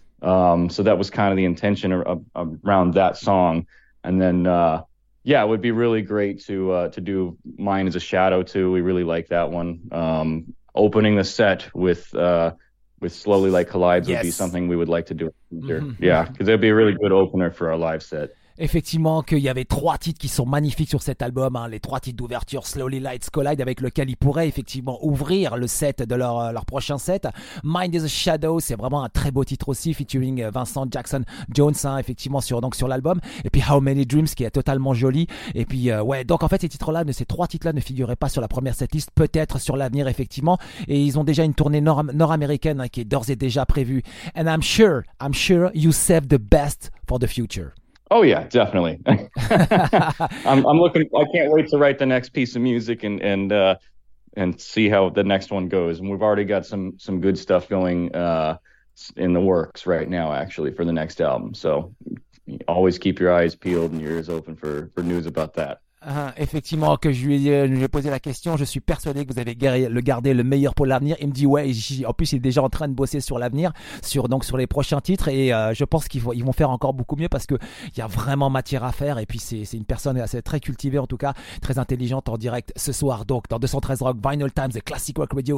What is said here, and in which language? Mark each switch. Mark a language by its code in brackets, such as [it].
[en] So that was kind of the intention around that song. And then yeah, it would be really great to do Mine Is a Shadow too. We really like that one. Opening the set with Slowly Like Collides would be something we would like to do in the future. Yeah, because it'd be a really good opener for our live set. [fr] Effectivement, qu'il y avait trois titres qui sont magnifiques sur cet album, hein, les trois titres d'ouverture Slowly Lights Collide, avec lequel ils pourraient effectivement ouvrir le set de leur prochain set. Mind is a Shadow, c'est vraiment un très beau titre aussi, featuring Vincent Jackson Jones, hein, effectivement, sur l'album. Et puis How Many Dreams, qui est totalement joli. Et puis, ouais, donc en fait, ces trois titres-là ne figuraient pas sur la première setlist, peut-être sur l'avenir, effectivement. Et ils ont déjà une tournée nord-américaine, hein, qui est d'ores et déjà prévue. [en] And I'm sure you save the best for the future. Oh yeah, definitely. I'm looking. I can't wait to write the next piece of music and see how the next one goes. And we've already got some good stuff going in the works right now, actually, for the next album. So always keep your eyes peeled and your ears open for news about that. [fr] Effectivement, que je lui ai posé la question, je suis persuadé que vous avez gardé le meilleur pour l'avenir. Il me dit ouais, en plus il est déjà en train de bosser sur l'avenir, sur les prochains titres, et je pense qu'ils vont faire encore beaucoup mieux, parce que il y a vraiment matière à faire. Et puis c'est une personne assez très cultivée, en tout cas très intelligente, en direct ce soir donc dans 213 Rock Vinyl Times et Classic Rock Radio.